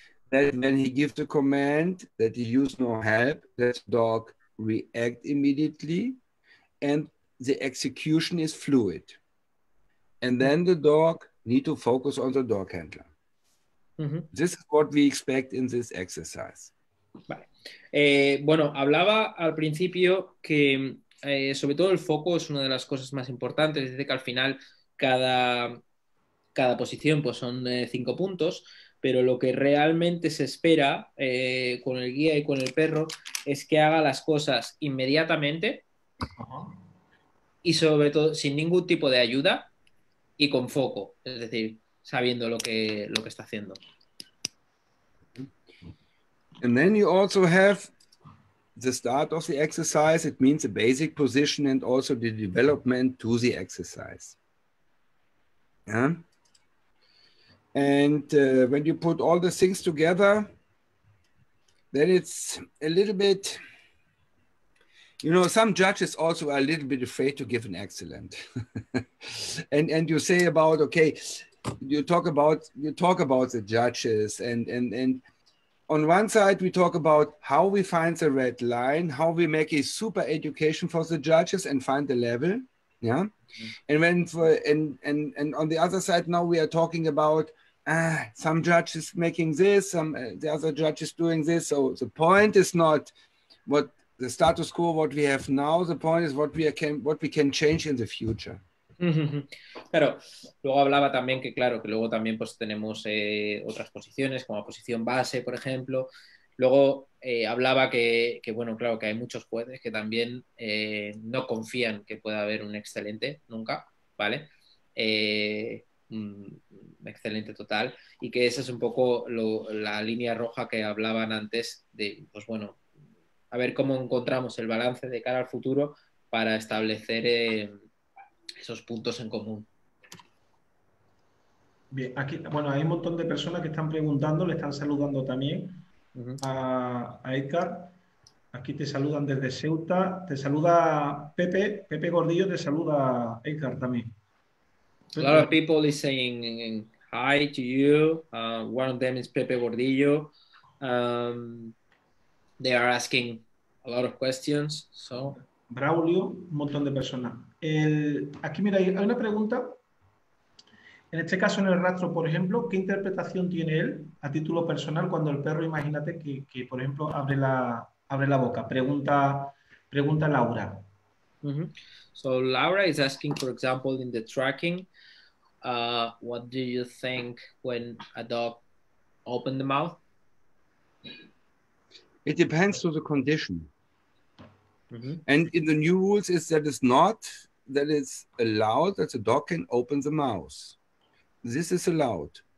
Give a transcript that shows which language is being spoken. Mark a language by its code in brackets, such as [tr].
[en] That when he gives a command that he use no help, that dog react immediately, and the execution is fluid. And then the dog need to focus on the dog handler. Mm-hmm. This is what we expect in this exercise. Bye. [es] Bueno, hablaba al principio que sobre todo el foco es una de las cosas más importantes. Dice que al final cada posición pues son 5 puntos, pero lo que realmente se espera con el guía y con el perro es que haga las cosas inmediatamente y sobre todo sin ningún tipo de ayuda y con foco, es decir, sabiendo lo que está haciendo. [en] And then you also have the start of the exercise. It means a basic position and also the development to the exercise. Yeah. And when you put all the things together, then it's a little bit, you know, some judges also are a little bit afraid to give an excellent. and you say about, okay, you talk about the judges and on one side, we talk about how we find the red line, how we make a super education for the judges and find the level. Yeah. Mm-hmm. And when and on the other side, now we are talking about some judges making this, some the other judges doing this. So the point is not what the status quo, what we have now. The point is what we can change in the future. [es] Claro, luego hablaba también que claro, que luego también pues tenemos otras posiciones, como posición base, por ejemplo. Luego hablaba que bueno, claro, que hay muchos jueces que también no confían que pueda haber un excelente nunca, ¿vale? Excelente total, y que esa es un poco la línea roja que hablaban antes de, pues bueno, a ver cómo encontramos el balance de cara al futuro para establecer esos puntos en común. Bien, aquí, bueno, hay un montón de personas que están preguntando, le están saludando también a Edgar. Aquí te saludan desde Ceuta, te saluda Pepe Gordillo, te saluda Edgar también. [en] A lot of people is saying hi to you. One of them is Pepe Gordillo. They are asking a lot of questions, so. [es] Braulio, un montón de personas. Aquí, mira, hay una pregunta. En este caso, en el rastro, por ejemplo, ¿qué interpretación tiene él a título personal cuando el perro, imagínate, que por ejemplo, abre la boca? Pregunta Laura. Mm-hmm. [en] So, Laura is asking, for example, in the tracking, what do you think when a dog opens the mouth? It depends on the condition. Mm-hmm. And in the new rules is that it's not, that it's allowed that the dog can open the mouth. This is allowed.